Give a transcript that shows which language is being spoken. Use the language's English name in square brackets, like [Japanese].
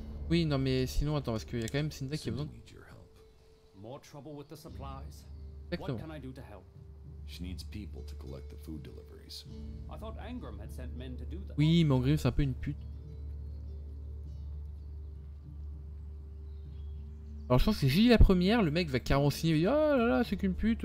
[French] Oui, non, mais sinon, attends, parce qu'il y a quand même Cinda qui a besoin. [English] Exactement. What can I do to help? She needs people to collect the food deliveries. I thought Angram had sent men to do that. [French] Oui, mais Angram, c'est un peu une pute. Alors, je pense que si j'ai la première, le mec va carrément signer. Et dire, oh là là, c'est qu'une pute.